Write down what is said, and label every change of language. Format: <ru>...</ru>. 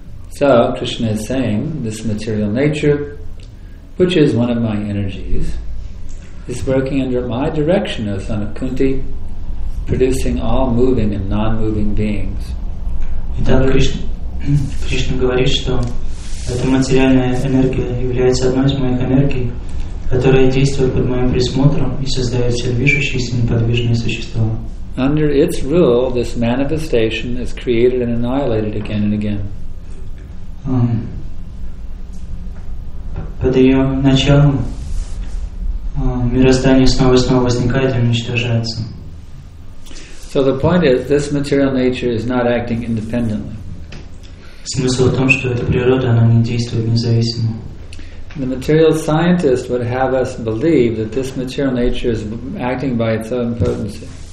<en>So Krishna is saying, this material nature, which is one of my energies, is working under my direction, O son of Kunti, producing all moving and non-moving beings.</en> <ru>Итак, Кришна говорит, что эта материальная энергия является одной из моих энергий, которая действует под моим присмотром и создает все движущиеся и неподвижные существа.</ru> <en>Under its rule, this manifestation is created and annihilated again and again.</en> <ru>Под ее началом мироздание снова и снова возникает и уничтожается.</ru> <en>So the point is, this material nature is not acting independently.</en> <ru>Смысл в том, что эта природа, она не действует независимо.</ru> <en>The material scientist would have us believe that this material nature is acting by its own potency.</en>